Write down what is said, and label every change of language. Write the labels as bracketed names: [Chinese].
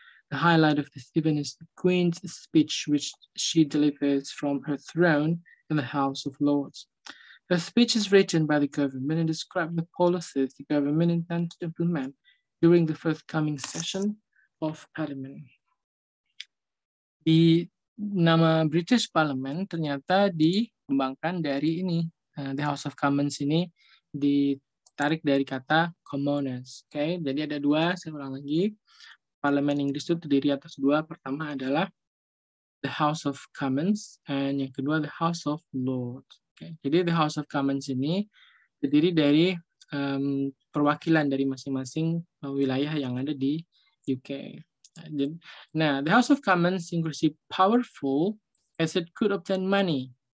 [English] The highlight of this event is the Queen's speech, which she delivers from her throne in the House of Lords. The speech is written by the government and describes the policies the government intends to implement during the forthcoming session of Parliament. [Indonesian] Di nama British Parliament ternyata dikembangkan dari ini, the House of Commons ini ditarik dari kata commoners. Okay? Jadi ada dua, saya ulang lagi. Parlemen Inggris itu terdiri atas dua. Pertama adalah the House of Commons, and yang kedua the House of Lords. Okay. Jadi the House of Commons ini terdiri dari perwakilan dari masing-masing wilayah yang ada di UK. [English] Nah, the House of Commons inclusive powerful as it could obtain money.